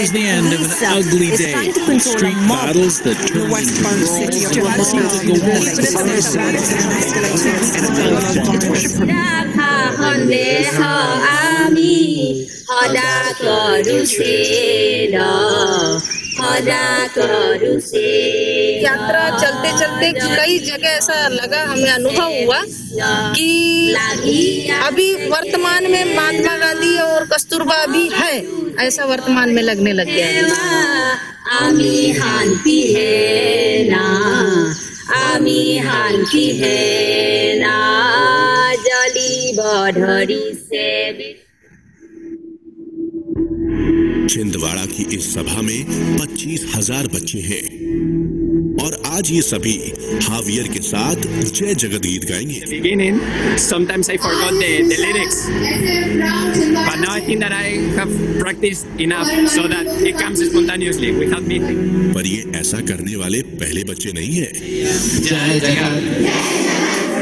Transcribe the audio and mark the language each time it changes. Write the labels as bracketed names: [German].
[English] was the end of an ugly day. Street battles that turned into brawls, the mob into the war, and the blood [Hindi] यात्रा चलते चलते कई जगह ऐसा लगा, हमें अनुभव हुआ कि अभी वर्तमान में महात्मा गांधी और कस्तूरबा भी है, ऐसा वर्तमान में लगने लग गया है। छिंदवाड़ा की इस सभा में 25,000 बच्चे हैं और आज ये सभी हावियर के साथ जय जगत गीत गाएंगे। [English] Begin in. Sometimes I forgot the lyrics, but now I think that I have practiced enough so that it comes spontaneously without me thinking. [Hindi] पर ये ऐसा करने वाले पहले बच्चे नहीं है। जय जगत।